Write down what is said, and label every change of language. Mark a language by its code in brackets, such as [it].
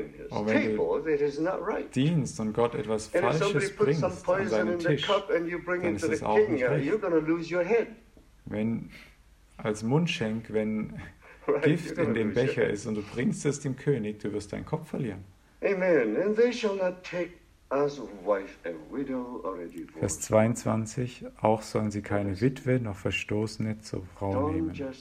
[de] Und wenn du dienst und Gott etwas Falsches bringst an seinen Tisch, dann ist es auch nicht recht. Wenn als Mundschenk, wenn Gift in dem Becher ist und du bringst es dem König, du wirst deinen Kopf verlieren. Amen. [en] And they shall not take as wife a widow or a divorce. [de] Vers 22, auch sollen sie keine Witwe noch Verstoßene zur Frau nehmen.